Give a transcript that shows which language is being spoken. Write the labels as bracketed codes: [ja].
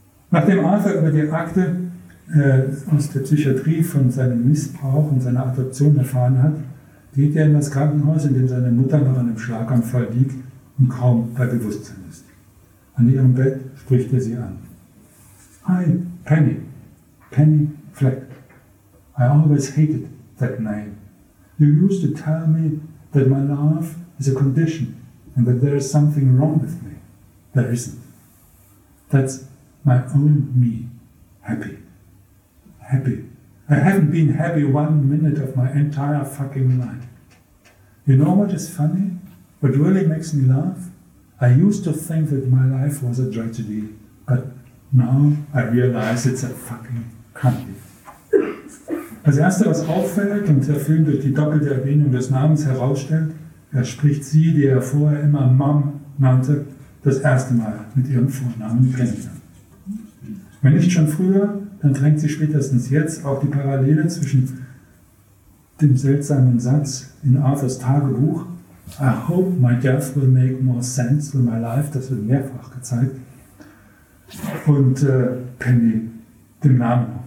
[de] Nachdem Arthur über die Akte aus der Psychiatrie von seinem Missbrauch und seiner Adoption erfahren hat, geht er in das Krankenhaus, in dem seine Mutter noch an einem Schlaganfall liegt und kaum bei Bewusstsein ist. An ihrem Bett spricht er sie an. [en] Hi, Penny. Penny Fleck. I always hated that name. You used to tell me that my love is a condition and that there is something wrong with me. There isn't. That's my own me. Happy. Happy. I haven't been happy 1 minute of my entire fucking life. You know what is funny? What really makes me laugh? I used to think that my life was a tragedy, but now I realize it's a fucking comedy. [de] Als Erste, was auffällt und der Film durch die doppelte Erwähnung des Namens herausstellt, er spricht sie, die er vorher immer Mom nannte, das erste Mal mit ihrem Vornamen kennen. Wenn nicht schon früher, dann drängt sie spätestens jetzt auch die Parallele zwischen dem seltsamen Satz in Arthurs Tagebuch [en] I hope my death will make more sense than my life, [de] das wird mehrfach gezeigt, und Penny, dem Namen.